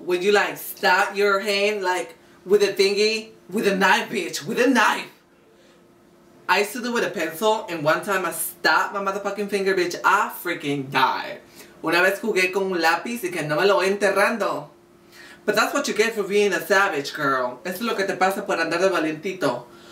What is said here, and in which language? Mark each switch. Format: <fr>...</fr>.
<en>When you like stab your hand like with a thingy? With a knife, bitch, with a knife. I used to do it with a pencil and one time I stabbed my motherfucking finger, bitch. I freaking died.</en> <es>Una vez jugué con un lápiz y que no me lo voy enterrando.</es> <en>But that's what you get for being a savage, girl.</en> <es>Es lo que te pasa por andar de valientito.</es>